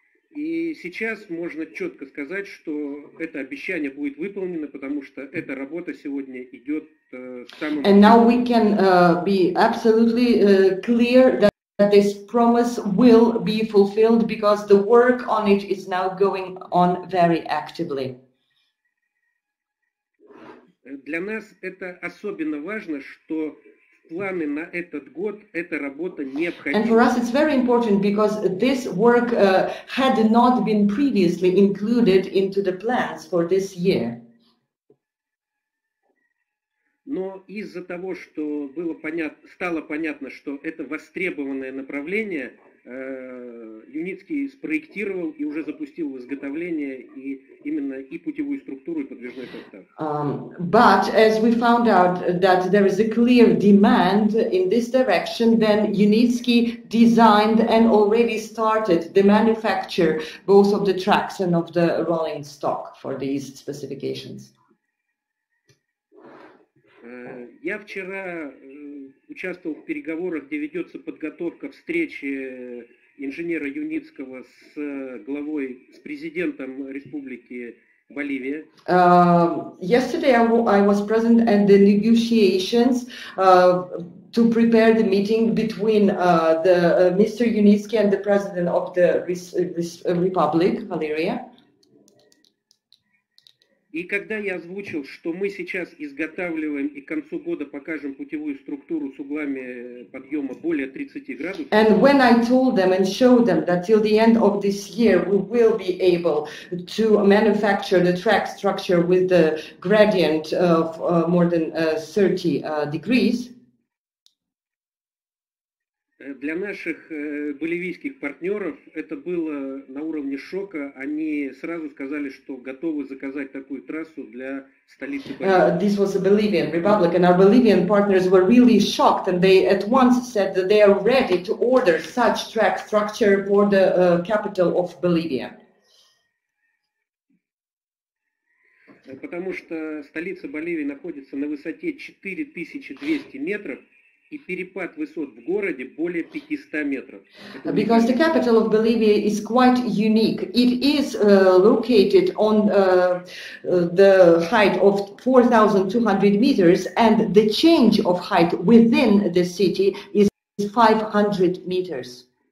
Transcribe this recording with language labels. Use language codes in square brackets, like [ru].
[ru] И сейчас можно четко сказать, что это обещание будет выполнено, потому что эта работа сегодня идет. [en] And now we can be absolutely clear that this promise will be fulfilled, because the work on it is now going on very actively. [ru] Для нас это особенно важно, что в планы на этот год эта работа необходима. [en] And for us it's very important, because this work had not been previously included into the plans for this year. [ru] Но из-за того, что стало понятно, что это востребованное направление, Юницкий спроектировал и уже запустил в изготовление именно путевую структуру и подвижной состав. [en] But as we found out that there is a clear demand in this direction, then Yunitsky designed and already started the manufacture both of the tracks and of the rolling stock for these specifications. [ru] Я вчера участвовал в переговорах, где ведется подготовка встречи инженера Юницкого с главой, с президентом Республики Боливия. [en] Yesterday I was present at the negotiations to prepare the meeting between Mr. Yunitskiy and the President of the Republic, Valeria. [ru] И когда я озвучил, что мы сейчас изготавливаем и к концу года покажем путевую структуру с углами подъема более 30 градусов. [en] And when I told them and showed them that till the end of this year we will be able to manufacture the track structure with the gradient of more than 30 degrees. [ru] Для наших боливийских партнеров это было на уровне шока. Они сразу сказали, что готовы заказать такую трассу для столицы Боливии. [en] This was a Bolivian Republic, and our Bolivian partners were really shocked, and they at once said that they are ready to order such track structure for the capital of Bolivia. [ru] Потому что столица Боливии находится на высоте 4200 метров. И перепад высот в городе более 500 метров. [en] Because the capital of Bolivia is quite unique. It is located on the height of 4,200 meters, and the change of height within the city is 500 meters.